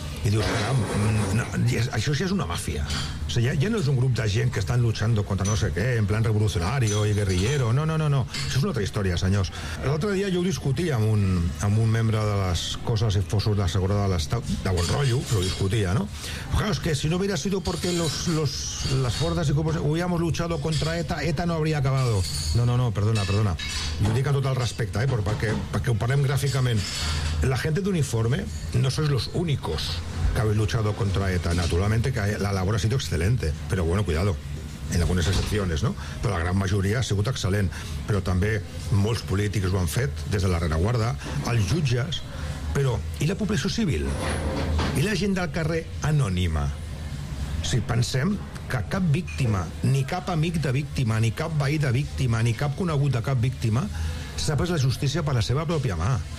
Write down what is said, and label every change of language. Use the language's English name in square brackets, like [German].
[Catalan] I dius, caram, no, això ja és una màfia. O sigui, ja no és un grup de gent que [Spanish] estan luchando contra [Catalan] no sé què, en plan revolucionari o guerrillero. No, no, no, no. Això és una altra història, senyors. L'altre dia jo ho discutia amb un membre de les coses i fossos de seguretat de l'Estat, de bon rotllo, però ho discutia, no? [Spanish] Claro, es que si no hubiera sido porque las fuerzas y cuerpos hubiéramos luchado contra ETA, ETA no habría acabado. No, no, no, perdona, perdona. Yo digo a total respecte, ¿eh? [Catalan] Perquè ho parlem gràficament. [Spanish] La gente de uniforme no sois los únicos que habéis luchado contra ETA. Naturalmente que la labor ha sido excelente, pero bueno, cuidado, [Catalan] en algunes excepcions, no? Però la gran majoria ha sigut excel·lent. Però també molts polítics ho han fet, des de la rereguarda, els jutges, però i la població civil? I la gent del carrer anònima? Si pensem que cap víctima, ni cap amic de víctima, ni cap veí de víctima, ni cap conegut de cap víctima, s'ha pres la justícia per la seva pròpia mà.